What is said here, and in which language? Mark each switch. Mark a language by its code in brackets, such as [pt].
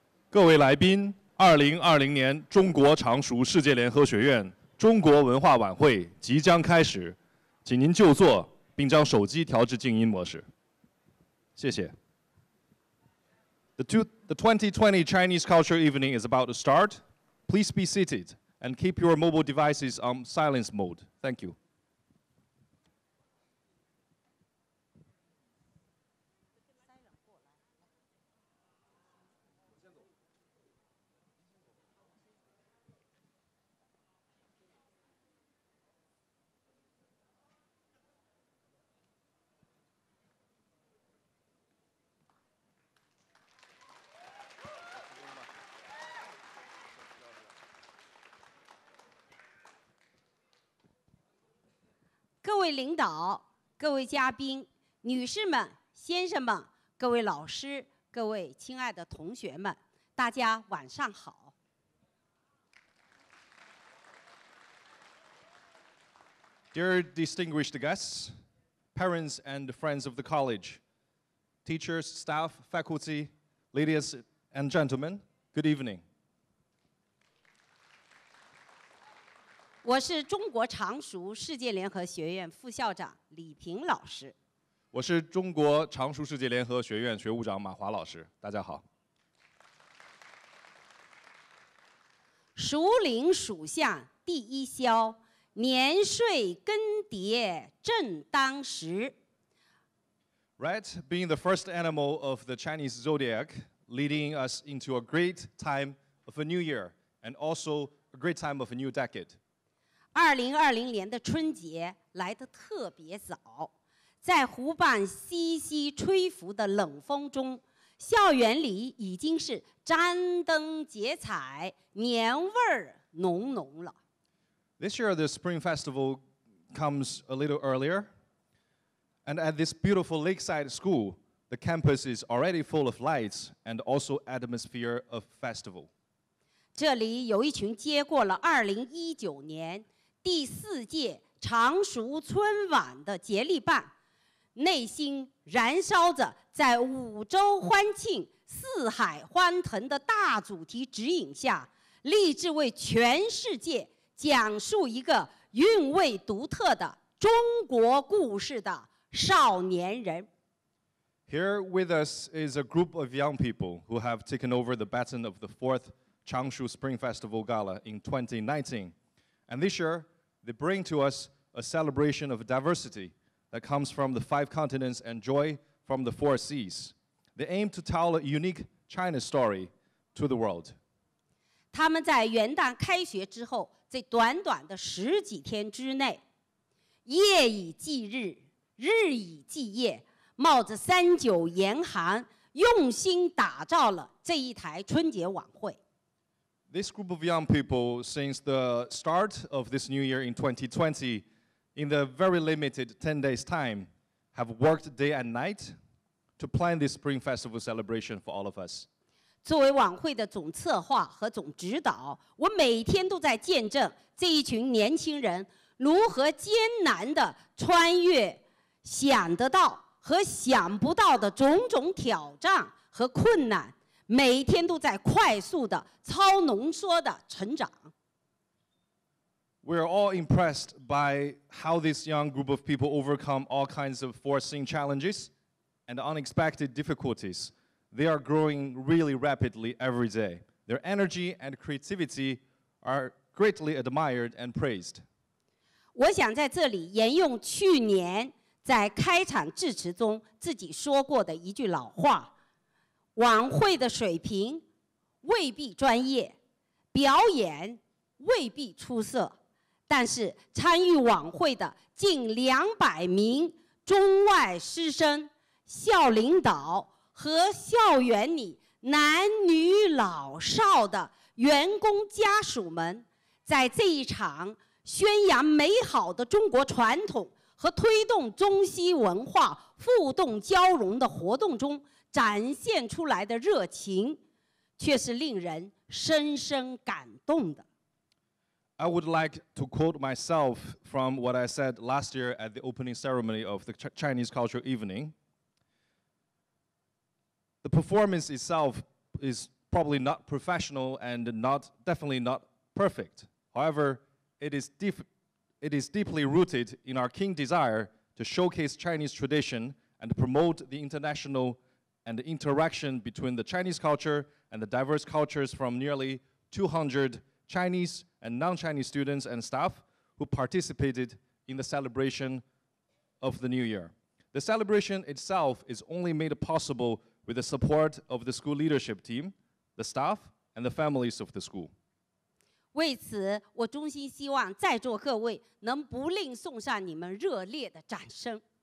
[zh] 各位来宾，2020年中国常熟世界联合学院中国文化晚会即将开始，请您就座并将手机调至静音模式，谢谢。 [en] The 2020 Chinese Culture Evening is about to start. Please be seated and keep your mobile devices on silence mode. Thank you. [zh] 各位领导，各位嘉宾，女士们，先生们，各位老师，各位亲爱的同学们，大家晚上好。 [en] Dear distinguished guests, parents and friends of the college, teachers, staff, faculty, ladies and gentlemen, good evening. [zh] 我是中国常熟世界联合学院副校长李平老师。我是中国常熟世界联合学院学务长马华老师，大家好。熟龄属相第一爻，年岁更迭正当时。 [en] Right, being the first animal of the Chinese zodiac, leading us into a great time of a new year, and also a great time of a new decade. [zh] 2020年的春节来得特别早，在湖畔淅淅吹拂的冷风中，校园里已经是张灯结彩，年味儿浓浓了。 [en] This year, the Spring Festival comes a little earlier, and at this beautiful lakeside school, the campus is already full of lights and also atmosphere of festival. [zh] 这里有一群接过了2019年第四届常熟春晚的接力棒，内心燃烧着在五洲欢庆、四海欢腾的大主题指引下，立志为全世界讲述一个韵味独特的中国故事的少年人。 [en] Here with us is a group of young people who have taken over the baton of the fourth Changshu Spring Festival Gala in 2019, and this year. They bring to us a celebration of diversity that comes from the five continents and joy from the four seas. They aim to tell a unique China story to the world. [zh] 他们在元旦开学之后，这短短的十几天之内，夜以继日，日以继夜，冒着三九严寒，用心打造了这一台春节晚会。 [en] This group of young people, since the start of this new year in 2020, in the very limited 10 days time, have worked day and night to plan this Spring Festival celebration for all of us. [zh] 作为晚会的总策划和总指导，我每天都在见证这一群年轻人如何艰难地穿越想得到和想不到的种种挑战和困难。每一天都在快速的、超浓缩的成长。 [en] We are all impressed by how this young group of people overcome all kinds of foreseen challenges and unexpected difficulties. They are growing really rapidly every day. Their energy and creativity are greatly admired and praised. [zh] 我想在这里沿用去年在开场致辞中自己说过的一句老话。晚会的水平未必专业，表演未必出色，但是参与晚会的近200名中外师生、校领导和校园里男女老少的员工家属们，在这一场宣扬美好的中国传统和推动中西文化互动交融的活动中展现出来的热情，却是令人深深感动的。 [en] I would like to quote myself from what I said last year at the opening ceremony of the Chinese Cultural Evening. The performance itself is probably not professional and not definitely not perfect. However, it is deeply rooted in our keen desire to showcase Chinese tradition and promote the international and interaction between the Chinese culture and the diverse cultures from nearly 200 Chinese and non-Chinese students and staff who participated in the celebration of the New Year. The celebration itself is only made possible with the support of the school leadership team, the staff, and the families of the school. [zh] 为此，我衷心希望在座各位能不吝送上你们热烈的掌声。